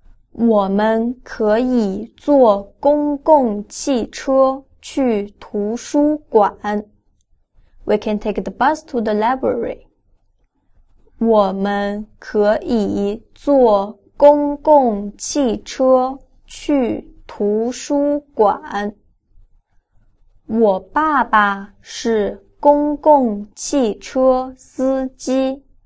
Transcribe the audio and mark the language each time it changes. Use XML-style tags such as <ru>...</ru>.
<zh>我们可以坐公共汽车去图书馆。</zh> <en>We can take the bus to the library.</en> <zh>我们可以坐公共汽车去图书馆。我爸爸是公共汽车司机。</zh>